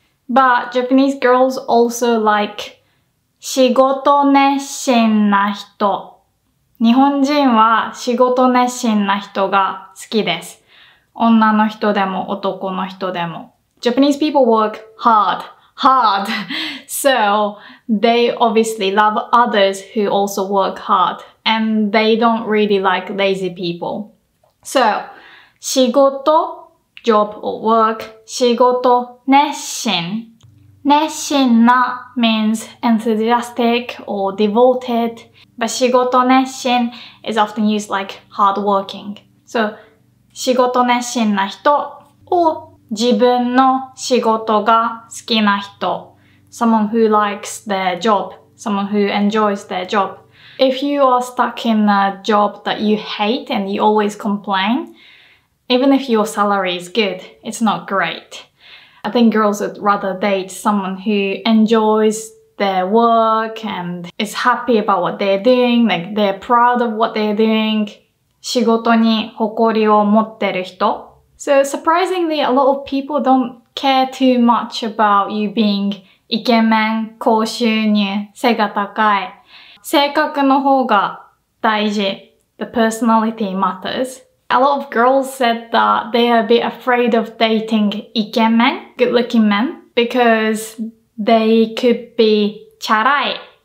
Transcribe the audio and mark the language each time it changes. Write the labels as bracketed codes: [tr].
[en] But Japanese girls also like [ja] 仕事熱心な人。日本人は仕事熱心な人が好きです。女の人でも男の人でも。 [en] Japanese people work hard. Hard! So, they obviously love others who also work hard. And they don't really like lazy people. So, [ja] 仕事 [en] job or work, 仕事熱心熱心な means enthusiastic or devoted. But 仕事熱心 is often used like hardworking. So, [ja] 仕事熱心な人 or 自分の仕事が好きな人 [en] Someone who likes their job, someone who enjoys their job. If you are stuck in a job that you hate and you always complain, even if your salary is good, it's not great. I think girls would rather date someone who enjoys their work and is happy about what they're doing, like they're proud of what they're doing. [ja] 仕事に誇りを持ってる人 [en] So surprisingly, a lot of people don't care too much about you being [ja] イケメン、高収入、背が高い。性格の方が大事。 [en] The personality matters. A lot of girls said that they are a bit afraid of dating イケメン、good-looking men, because they could be チャラい。